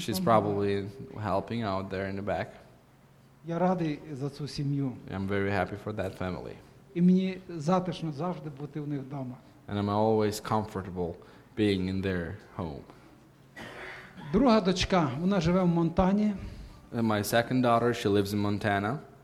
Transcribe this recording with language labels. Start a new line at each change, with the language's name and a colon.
English: She's probably helping out there in the back.
Ukrainian: Я радий за цю сім'ю.
English: I'm very happy for that family.
Ukrainian: І мені затишно завжди бути в них вдома.
English: And I'm always comfortable being in their home.
Ukrainian: Друга дочка, вона живе в Монтані.
English: And my second daughter, she lives in Montana.